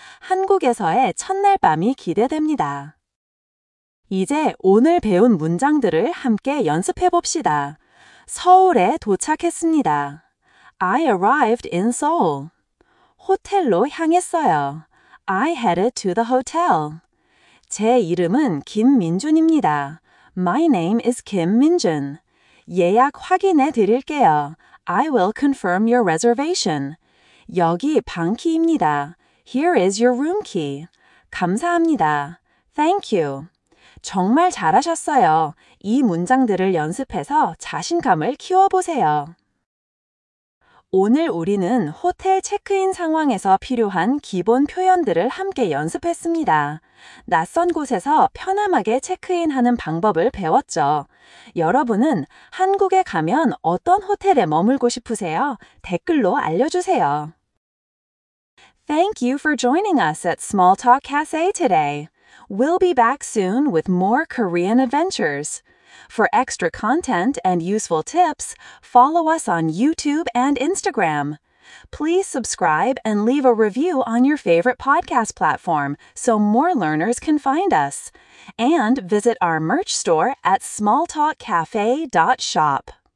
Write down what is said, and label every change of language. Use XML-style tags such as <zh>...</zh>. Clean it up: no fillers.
<ko>한국에서의 첫날 밤이 기대됩니다. 이제 오늘 배운 문장들을 함께 연습해 봅시다. 서울에 도착했습니다.</ko> <en>I arrived in Seoul.</en> <ko>호텔로 향했어요.</ko> <en>I headed to the hotel.</en> <ko>제 이름은 김민준입니다.</ko> <en>My name is Kim Minjun.</en> <ko>예약 확인해 드릴게요.</ko> <en>I will confirm your reservation.</en> <ko>여기 방키입니다.</ko> <en>Here is your room key.</en> <ko>감사합니다.</ko> <en>Thank you.</en> <ko>정말 잘하셨어요. 이 문장들을 연습해서 자신감을 키워보세요. 오늘 우리는 호텔 체크인 상황에서 필요한 기본 표현들을 함께 연습했습니다. 낯선 곳에서 편안하게 체크인하는 방법을 배웠죠. 여러분은 한국에 가면 어떤 호텔에 머물고 싶으세요? 댓글로 알려주세요.</ko> <en>Thank you for joining us at Small Talk Cafe today. We'll be back soon with more Korean adventures. For extra content and useful tips, follow us on YouTube and Instagram. Please subscribe and leave a review on your favorite podcast platform so more learners can find us. And visit our merch store at smalltalkcafe.shop.</en>